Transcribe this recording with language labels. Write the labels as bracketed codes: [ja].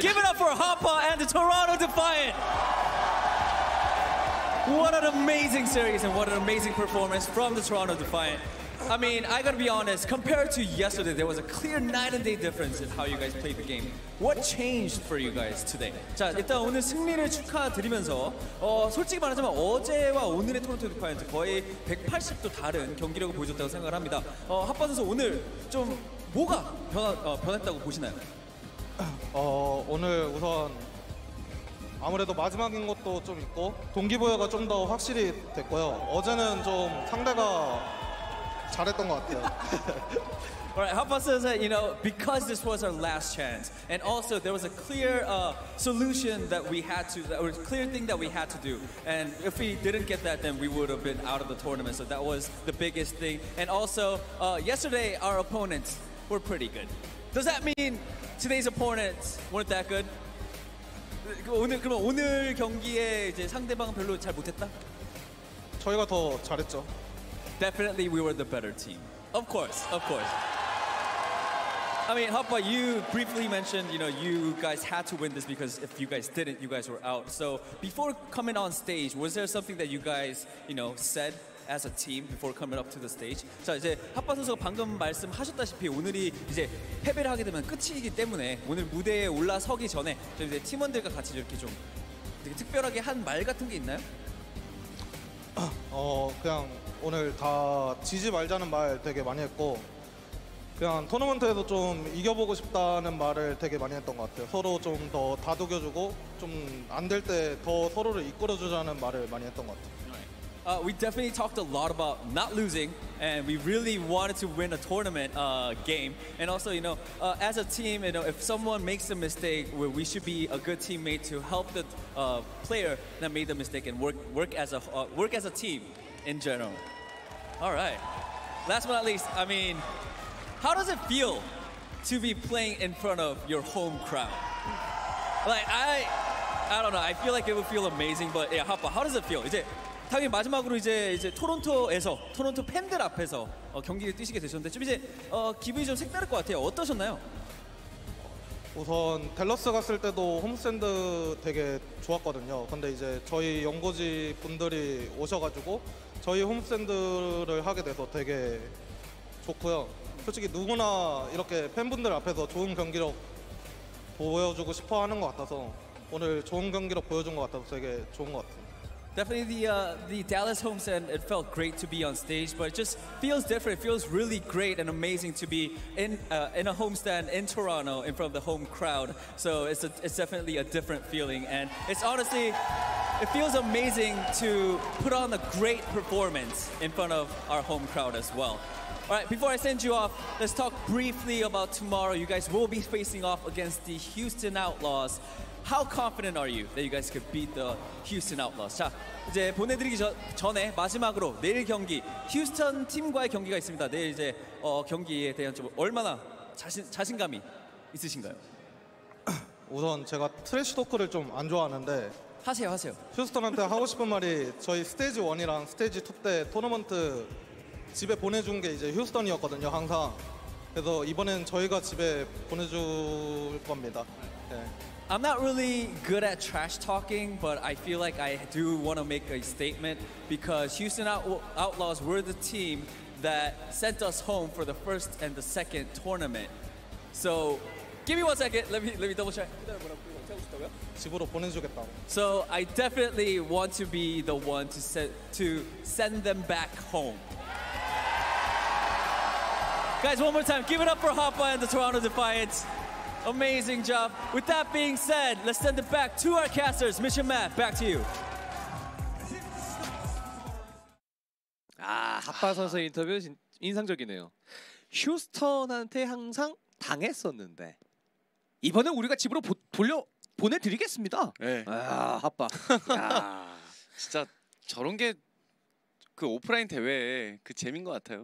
[en] Give it up for Hapa and the Toronto Defiant. What an amazing series and what an amazing performance from the Toronto Defiant. I mean, I gotta be honest, compared to yesterday, there was a clear night and day difference in how you guys played the game. What changed for you guys today? [ko] 자, 일단 오늘 승리를 축하드리면서 솔직히 말하자면 어제와 오늘의 토론토 디파이언트 거의 180도 다른 경기력을 보여줬다고 생각을 합니다. 핫바 선수 오늘 좀 뭐가 변했다고 보시나요? 오늘 우선 아무래도 마지막인 것도 좀 있고 동기부여가 좀 더 확실히 됐고요. 어제는 좀 상대가 잘했던 것 같아요. [en] Alright, Hapa says that, you know, because this was our last chance, and also there was a clear solution that we had to, that was a clear thing that we had to do. And if we didn't get that, then we would have been out of the tournament. So that was the biggest thing. And also, yesterday our opponents were pretty good. Does that mean today's opponents weren't that good? [ko] 오늘 그러면 오늘 경기에 이제 상대방은 별로 잘 못했다? 저희가 더 잘했죠. [en] Definitely we were the better team. Of course, of course. I mean, Hapa, you briefly mentioned, you know, you guys had to win this because if you guys didn't, you guys were out. So before coming on stage, was there something that you guys, you know, said as a team before coming up to the stage? [ko] 자, 이제 핫바 선수가 방금 말씀하셨다시피 오늘이 이제 패배를 하게 되면 끝이기 때문에 오늘 무대에 올라서기 전에 저희 이제 팀원들과 같이 이렇게 좀 되게 특별하게 한 말 같은 게 있나요? 그냥 오늘 다 지지 말자는 말 되게 많이 했고 그냥 토너먼트에서 좀 이겨보고 싶다는 말을 되게 많이 했던 것 같아요. 서로 좀 더 다독여주고 좀 안 될 때 더 서로를 이끌어주자는 말을 많이 했던 것 같아요. [en] We definitely talked a lot about not losing, and we really wanted to win a tournament game. And also, you know, as a team, you know, if someone makes a mistake, we should be a good teammate to help the player that made the mistake and work as a team in general. All right. Last but not least, I mean, how does it feel to be playing in front of your home crowd? Like, I don't know. I feel like it would feel amazing, but yeah, Hapa, how does it feel? Is it? [ko] 당연히 마지막으로 이제 토론토에서 토론토 팬들 앞에서 경기를 뛰시게 되셨는데 좀 이제 기분이 좀 색다를 것 같아요. 어떠셨나요? 우선 댈러스 갔을 때도 홈스탠드 되게 좋았거든요. 근데 이제 저희 연고지 분들이 오셔가지고 저희 홈스탠드를 하게 돼서 되게 좋고요. 솔직히 누구나 이렇게 팬분들 앞에서 좋은 경기력 보여주고 싶어 하는 것 같아서 오늘 좋은 경기력 보여준 것 같아서 되게 좋은 것 같아요. [en] Definitely the Dallas home stand, it felt great to be on stage, but it just feels different. It feels really great and amazing to be in a home stand in Toronto in front of the home crowd. So it's definitely a different feeling. And it's honestly, it feels amazing to put on a great performance in front of our home crowd as well. All right, before I send you off, let's talk briefly about tomorrow. You guys will be facing off against the Houston Outlaws. How confident are you that you guys could beat the Houston Outlaws? [ko] 자, 이제 보내드리기 전에 마지막으로 내일 경기, 휴스턴 팀과의 경기가 있습니다. 내일 이제 경기에 대한 좀 얼마나 자신감이 있으신가요? 우선 제가 트래시 토크를 좀 안 좋아하는데 하세요, 하세요. 휴스턴한테 하고 싶은 말이 저희 스테이지 1이랑 스테이지 2 때 토너먼트 집에 보내준 게 이제 휴스턴이었거든요, 항상. 그래서 이번엔 저희가 집에 보내줄 겁니다. 네. [en] I'm not really good at trash talking, but I feel like I do want to make a statement because Houston Outlaws were the team that sent us home for the first and the second tournament. So, give me 1 second. Let me double check. [ko] 집으로 보내주겠다. [en] So I definitely want to be the one to send them back home. Guys, one more time. Give it up for Hapa and the Toronto Defiant. Amazing job. With that being said, let's send it back to our casters. Mission Matt, back to you. [ko] 아, 핫바 선수 인터뷰 인상적이네요. 휴스턴한테 항상 당했었는데 이번에 우리가 집으로 돌려 보내드리겠습니다. 네. 아, 아빠. 진짜 저런 게 그 오프라인 대회의 그 재미인 것 같아요.